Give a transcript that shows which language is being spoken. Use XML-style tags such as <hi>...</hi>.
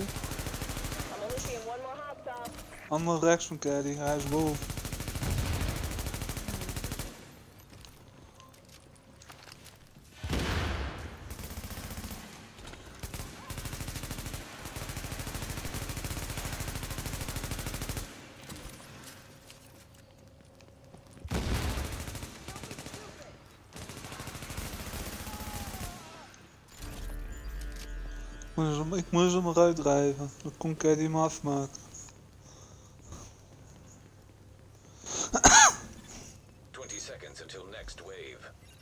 <en>I'm only seeing one more hot stop.</en> <nl>Ander rechts van Caddy, hij is boven. Ik moest hem eruit drijven, dan kon ik die maar afmaken.</nl> <en>20 seconds until next wave.</en>